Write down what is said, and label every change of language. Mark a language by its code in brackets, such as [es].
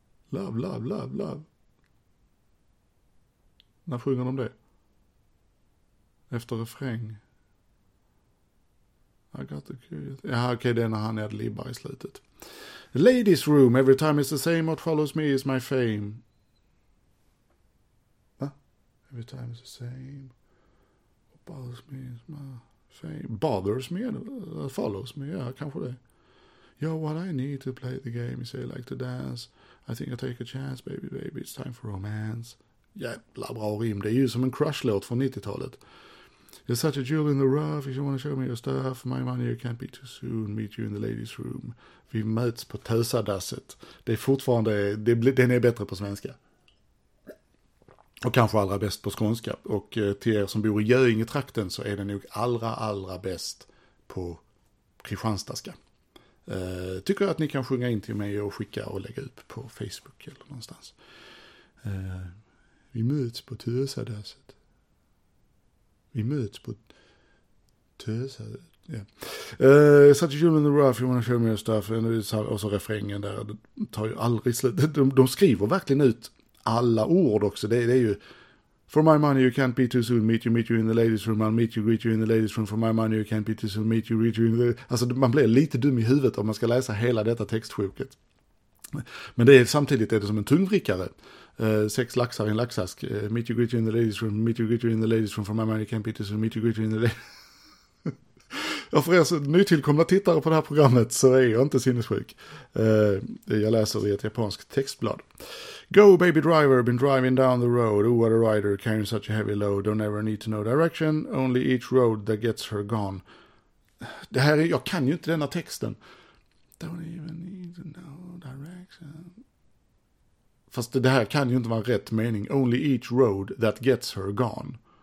[en] Love, love, love, love. [sv] När sjunger de det? Efter refräng. [en] I got the curious. [sv] Ja, okej, okay, det är när han är libba i slutet. [en] The ladies room, every time is the same, what follows me is my fame. Va? Every time is the same, what follows me is my fame. Bothers me, follows me, [sv] ja, kanske det. [en] Yo, what I need to play the game, you say, like to dance. I think I take a chance, baby, baby, it's time for romance. [sv] Jävla bra rim, det är ju som en crush-låt från 90-talet. [en] You're such a jewel in the rough, if you want to show me your stuff, my money, you can't be too soon, meet you in the ladies' room. [sv] Vi möts på tösadasset. Det är fortfarande, den är bättre på svenska. Och kanske allra bäst på skånska. Och till er som bor i Göingetrakten så är den nog allra, allra bäst på kristianstaska. Tycker jag att ni kan sjunga in till mig och skicka och lägga upp på Facebook eller någonstans. Vi möts på tösadasset. Vi möts på tösadasset. [en] Yeah. Such a jewel in the rough, you wanna show me your stuff. [sv] Och så refrängen där. Det tar ju aldrig slut. De skriver verkligen ut alla ord också. Det är ju... [en] For my money you can't be too soon, meet you in the ladies room, I'll meet you, greet you in the ladies room, for my money you can't be too soon, meet you, greet you in the... [sv] Alltså man blir lite dum i huvudet om man ska läsa hela detta textsjuket. Men det är, samtidigt är det som en tungvrickare. Sex laxar i en laxask, [en] meet you, greet you in the ladies room, meet you, greet you in the ladies room, for my money you can't be too soon, meet you, greet you in the ladies room. [sv] Ja, för er nytillkomna tittare på det här programmet så är jag inte sinnessjuk. Jag läser i ett japanskt textblad. [en] Go, baby driver, been driving down the road. Oh, what a rider, carrying such a heavy load. Don't ever need to know direction, only each road that gets her gone. [sv] Det här är, jag kan ju inte denna texten. [en] Don't even need to know direction. [sv] Fast det här kan ju inte vara rätt mening. [en] Only each road that gets her gone.